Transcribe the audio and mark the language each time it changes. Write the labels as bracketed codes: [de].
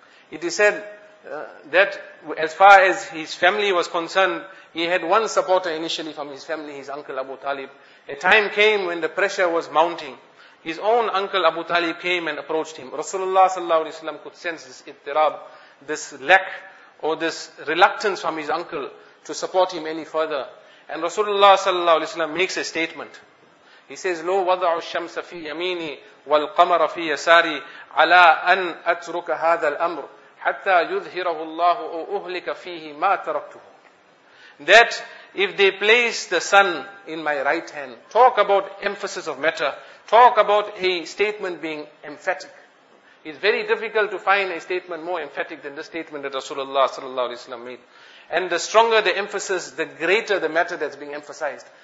[en] It is said that as far as his family was concerned, he had one supporter initially from his family, his uncle Abu Talib. A time came when the pressure was mounting. His own uncle Abu Talib came and approached him. Rasulullah sallallahu alayhi wa sallam could sense this ittirab, this lack or this reluctance from his uncle to support him any further. And Rasulullah sallallahu alayhi wa sallam makes a statement. He says, [ar] لو وضع الشمس في يميني والقمر في يساري على أن أترك هذا الأمر حتى يظهره الله أو أهلك فيه ما تركته. [en] That if they place the sun in my right hand, talk about emphasis of matter, talk about a statement being emphatic. It's very difficult to find a statement more emphatic than the statement that Rasulullah sallallahu alayhi wa sallam made. And the stronger the emphasis, the greater the matter that's being emphasized.